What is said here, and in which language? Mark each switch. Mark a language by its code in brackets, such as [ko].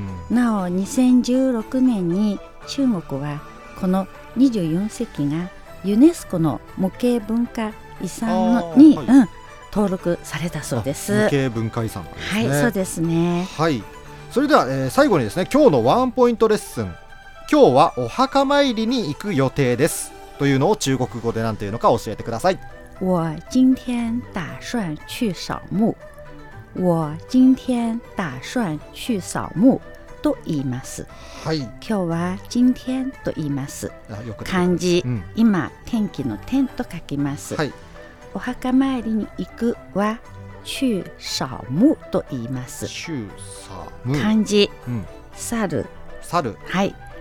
[ja] なお2016年に中国はこの24節気がユネスコの無形文化遺産のに、はい、うん、登録されたそうです。無形文化遺産ですね。はい、そうですね、はい、それでは、最後にですね、今日のワンポイントレッスン、今日はお墓参りに行く予定ですというのを中国語で何というのか教えてください。 [zh] 我今天打算去扫墓。我今天打算去扫墓 [ja] と言います、はい、今日は今天と言います。よく漢字、うん、今天気の天と書きます、はい、お墓参りに行くは [zh] 去扫墓 [ja] と言います。 [zh] 去扫墓、 [ja] 漢字、うん、猿、はい、